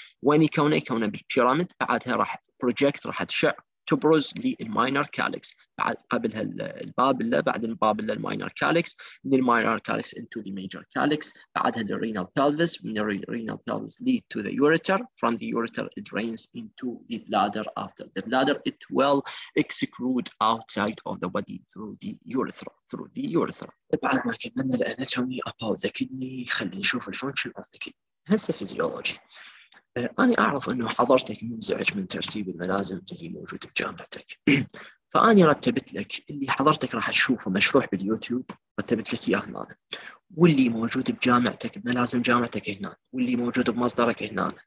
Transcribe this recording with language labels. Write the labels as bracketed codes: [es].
[ar] وين يكونه؟ يكونه بالبيراميد، بعدها راح بروجكت، راح تشع تبرز للماينر كالكس، بعد قبلها البابلة، بعد البابلة الماينر كالكس، من الماينر كالكس [en] into the major calyx، [ar] بعدها للرينال بيلفيس، من الرينال بيلفيس [en] lead to the ureter، from the ureter it drains into the bladder. After the bladder it will excrete outside of the body through the urethra. Through the urethra. [ar] بعد ما تكلمنا الاناتومي [en] about the kidney، [ar] خلينا نشوف الفانكشن [en] of the kidney. [ar] هسه فيزيولوجي. أنا أعرف أنه حضرتك منزعج من ترتيب الملازم اللي موجود بجامعتك، فأني رتبت لك اللي حضرتك راح تشوفه مشروح باليوتيوب، رتبت لك إياه هنا، واللي موجود بجامعتك بملازم جامعتك هنا، واللي موجود بمصدرك هنا.